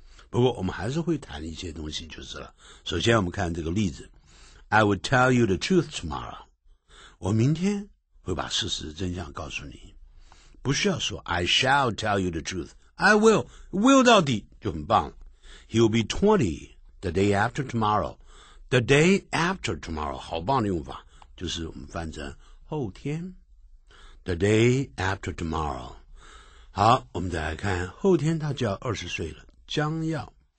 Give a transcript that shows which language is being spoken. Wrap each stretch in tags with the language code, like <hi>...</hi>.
<zh>不过我们还是会谈一些东西就是了。首先我们看这个例子，</zh> <en>I will tell you the truth tomorrow，</en> <zh>我明天会把事实真相告诉你，不需要说</zh> <en>I shall tell you the truth， I will, will</en> <zh>到底就很棒了。</zh> <en>He'll be 20 the day after tomorrow. The day after tomorrow,</en> <zh>好棒的用法，就是我们翻成后天。</zh> <en>The day after tomorrow.</en> <zh>好，我们再来看，后天他就要20岁了，将要。</zh>